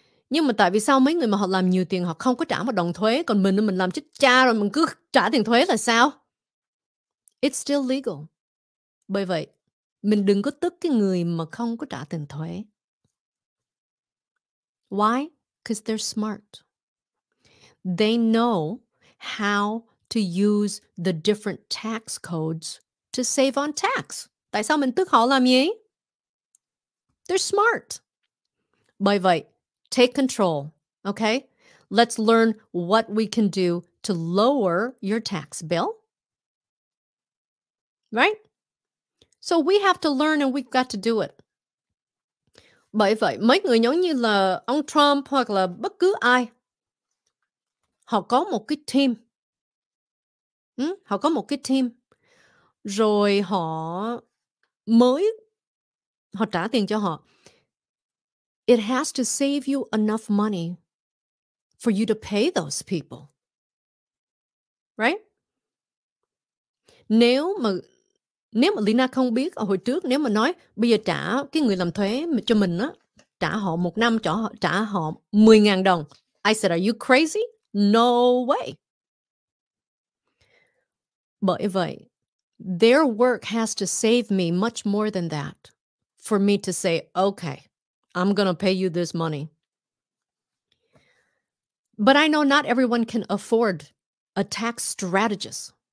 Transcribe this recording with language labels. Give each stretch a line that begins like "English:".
Vietnamese: Nhưng mà tại vì sao mấy người mà họ làm nhiều tiền họ không có trả một đồng thuế, còn mình làm chết cha rồi mình cứ trả tiền thuế là sao?
English: It's still legal.
Vietnamese: Bởi vậy, mình đừng có tức cái người mà không có trả tiền thuế.
English: Why? Because they're smart. They know how to use the different tax codes to save on tax.
Vietnamese: Tại sao mình tức họ làm gì?
English: They're smart.
Vietnamese: Bởi vậy,
English: take control, okay? Let's learn what we can do to lower your tax bill. Right? So we have to learn and we've got to do it.
Vietnamese: Bởi vậy, mấy người giống như là ông Trump hoặc là bất cứ ai, họ có một cái team. Họ có một cái team. Rồi họ mới, họ trả tiền cho họ.
English: It has to save you enough money for you to pay those people. Right?
Vietnamese: Nếu mà Lina không biết hồi trước, nếu mà nói bây giờ trả cái người làm thuế cho mình á, trả họ một năm cho họ, trả họ 10.000 đồng,
English: I said, are you crazy? No way.
Vietnamese: Bởi vậy,
English: their work has to save me much more than that for me to say, okay, I'm going to pay you this money. But I know not everyone can afford a tax strategist.